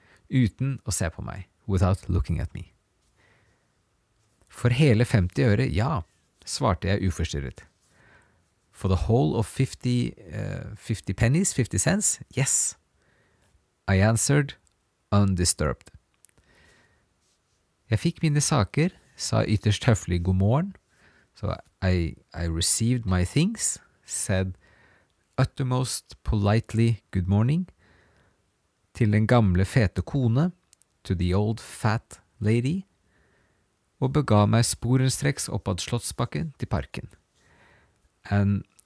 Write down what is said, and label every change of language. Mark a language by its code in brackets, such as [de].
[no] Uten å se på meg. [en] Without looking at me. [no] For hele 50 øre, ja, svarte jeg uforstyrret. [en] For the whole of 50 pennies, 50 cents, yes. I answered, undisturbed. [no] Jeg fikk mine saker, sa ytterst høflig god morgen. [en] So I received my things, said uttermost politely good morning, [no] til den gamle fete kone, [en] to the old fat lady, [no] og bega meg sporenstreks oppad Slottsbakken til parken, [en] and